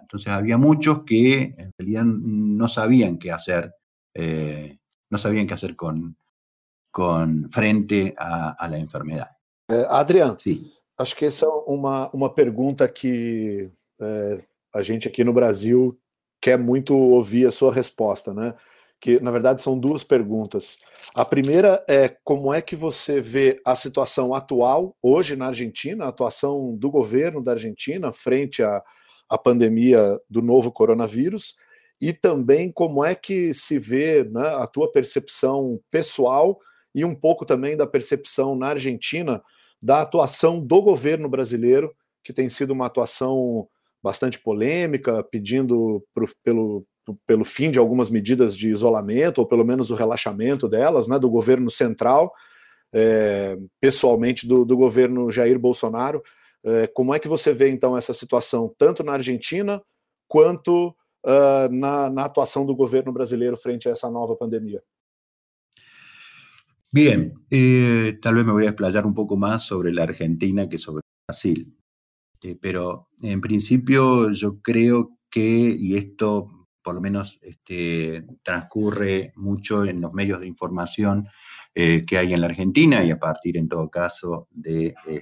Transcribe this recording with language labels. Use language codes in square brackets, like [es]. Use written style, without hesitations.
[es] Entonces había muchos que en realidad no sabían qué hacer, no sabían qué hacer con frente a la enfermedad. Adrián, sí. [pt] Acho que essa é uma pergunta que a gente aqui no Brasil quer muito ouvir a sua resposta, né? Que, na verdade, são duas perguntas. A primeira é como é que você vê a situação atual, hoje, na Argentina, a atuação do governo da Argentina frente à pandemia do novo coronavírus, e também como é que se vê, né, a tua percepção pessoal e um pouco também da percepção na Argentina da atuação do governo brasileiro, que tem sido uma atuação bastante polêmica, pedindo pelo fim de algumas medidas de isolamento, ou pelo menos o relaxamento delas, né, do governo central, pessoalmente do governo Jair Bolsonaro. Como é que você vê, então, essa situação, tanto na Argentina, quanto na atuação do governo brasileiro frente a essa nova pandemia? [es] Bien, tal vez me voy a explayar un poco más sobre la Argentina que sobre Brasil. Pero en principio yo creo que, y esto por lo menos transcurre mucho en los medios de información que hay en la Argentina y a partir en todo caso de